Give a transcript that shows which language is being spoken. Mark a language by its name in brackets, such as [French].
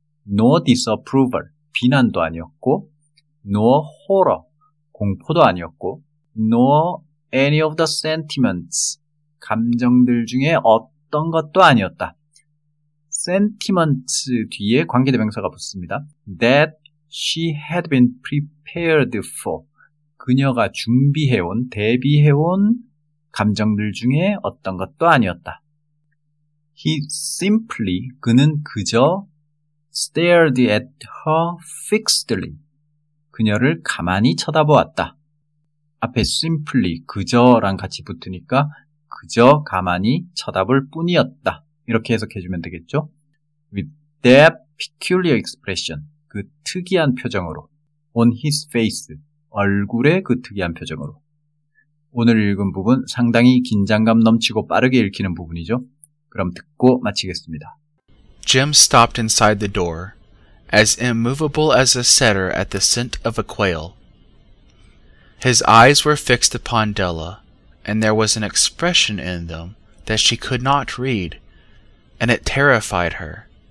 [English] no disapproval, [Korean] 비난도 아니었고, [English] no horror, [Korean] 공포도 아니었고, [English] no any of the sentiments, [Korean] 감정들 중에 어떤 것도 아니었다. sentiments 뒤에 관계대명사가 붙습니다. [English] that she had been prepared for. [Korean] 그녀가 준비해온, 대비해온 감정들 중에 어떤 것도 아니었다. [English] He simply, [Korean] 그는 그저 [English] stared at her fixedly. [Korean] 그녀를 가만히 쳐다보았다. 앞에 simply, 그저랑 같이 붙으니까 그저 가만히 쳐다볼 뿐이었다. 이렇게 해석해주면 되겠죠? [English] With that peculiar expression, [Korean] 그 특이한 표정으로, [English] on his face. [Korean] 얼굴의 그 특이한 표정으로. 오늘 읽은 부분 상당히 긴장감 넘치고 빠르게 읽히는 부분이죠. 그럼 듣고 마치겠습니다. [English] Jim stopped inside the door, as immovable as a setter at the scent of a quail. His eyes were fixed upon Della, and there was an expression in them that she could not read, and it terrified her.